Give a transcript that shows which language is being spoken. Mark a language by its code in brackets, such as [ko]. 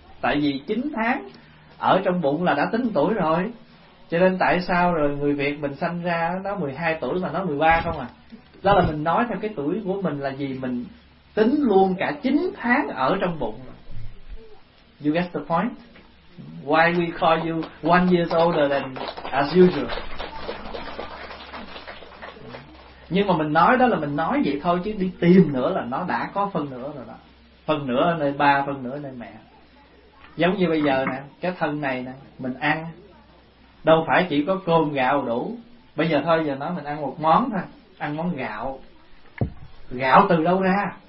[vi] Tại vì 9 tháng ở trong bụng là đã tính tuổi rồi. Cho nên tại sao rồi người Việt mình sanh ra nó 12 tuổi mà nó 13 không à? Đó là mình nói theo cái tuổi của mình là gì? Mình tính luôn cả 9 tháng ở trong bụng. [en] You get the point? Why we call you 1 year older than as usual? [vi] Nhưng mà mình nói đó là mình nói vậy thôi, chứ đi tìm nữa là nó đã có phân nửa rồi đó. Phân nửa ở nơi ba, phân nửa ở nơi mẹ. Giống như bây giờ nè, cái thân này nè, mình ăn đâu phải chỉ có cơm gạo đủ. Bây giờ thôi, giờ nói mình ăn một món thôi, ăn món gạo. Gạo từ đâu ra?